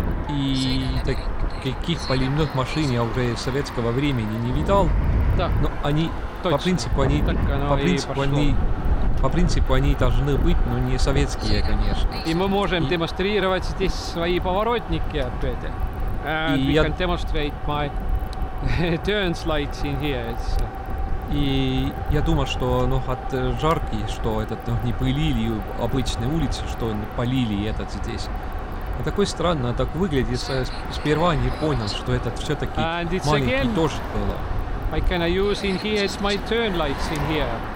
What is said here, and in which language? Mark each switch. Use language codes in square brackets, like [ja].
[ru] И таких поливных машин я уже с советского времени не видал. Да. Но они, по принципу, они, так оно по принципу они должны быть, но не советские, конечно. И мы можем демонстрировать здесь свои поворотники опять. [en] And we can demonstrate my turn lights in here. It's... [ru] И я думаю, что ну, от жарки, что этот ну, не пылили обычные улицы, что полили этот здесь. А такой странно так выглядит. Сперва не понял, что этот все-таки маленький [en] again... [ru] тоже был. [en] I can use in here, it's my turn lights in here.